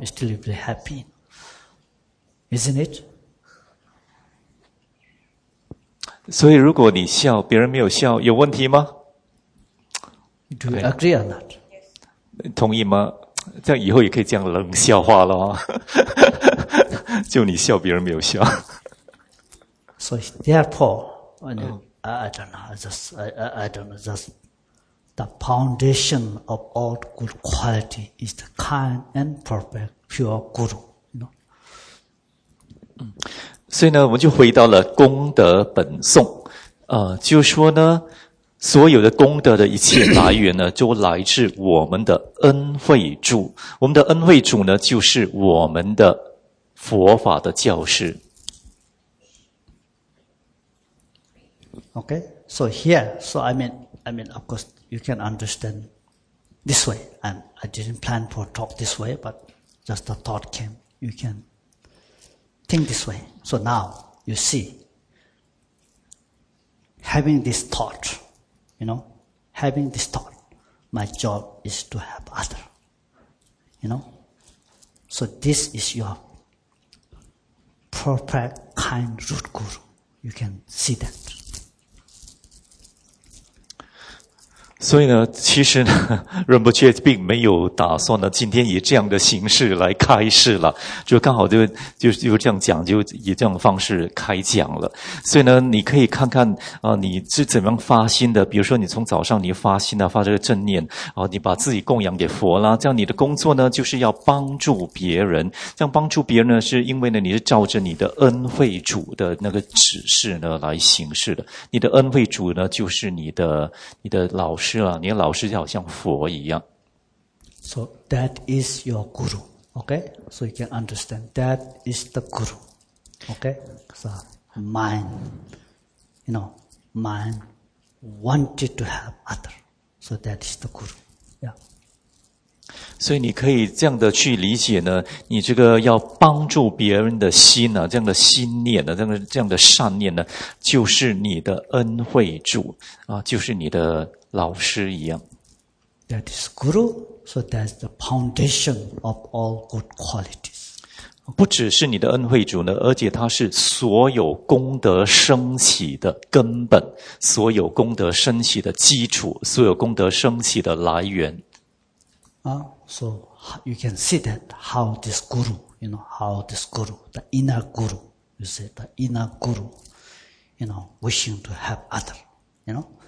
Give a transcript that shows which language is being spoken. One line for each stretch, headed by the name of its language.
English: You still be happy. Isn't it?
Chinese: 所以如果你笑，别人没有笑，有问题吗？
English: Do you agree or not?
Chinese: 同意吗？这样以后也可以讲冷笑话了啊。就你笑，别人没有笑。
English: So therefore, I don't know, I don't know, just the foundation of all good quality is the kind and perfect pure guru, you know.
Chinese: 所以呢，我们就回到了功德本颂，就是说呢，所有的功德的一切来源呢，就来自我们的恩惠主。我们的恩惠主呢，就是我们的佛法的教师。
English: Okay, so here, so I mean, of course, you can understand this way. And I didn't plan for talk this way, but just the thought came. You can think this way. So now, you see, having this thought, you know, having this thought, my job is to help other, you know. So this is your perfect, kind root guru. You can see that.
Chinese: 所以呢，其实呢，仁波切并没有打算呢，今天以这样的形式来开示了，就刚好就这样讲，就以这样的方式开讲了。所以呢，你可以看看你是怎么样发心的。比如说，你从早上你发心呢，发这个正念，你把自己供养给佛啦，这样你的工作呢，就是要帮助别人。这样帮助别人呢，是因为呢，你是照着你的恩惠主的那个指示呢来行事的。你的恩惠主呢，就是你的老师。是啊，你的老师就好像佛一样。
English: So that is your guru, okay? So you can understand that is the guru, okay? So mind, you know, mind wanted to have other, so that is the guru, yeah.
Chinese: 所以你可以这样的去理解呢，你这个要帮助别人的心啊，这样的心念呢、啊，这样的善念呢，就是你的恩惠主啊，就是你的。老师一样。
English: That is guru, so that's the foundation of all good qualities.
Chinese: 不只是你的恩惠主呢，而且他是所有功德升起的根本，所有功德升起的基础，所有功德升起的来源。
English: So you can see that how this guru, you know, how this guru, the inner guru, you see, the inner guru, you know, wishing to help other, you know.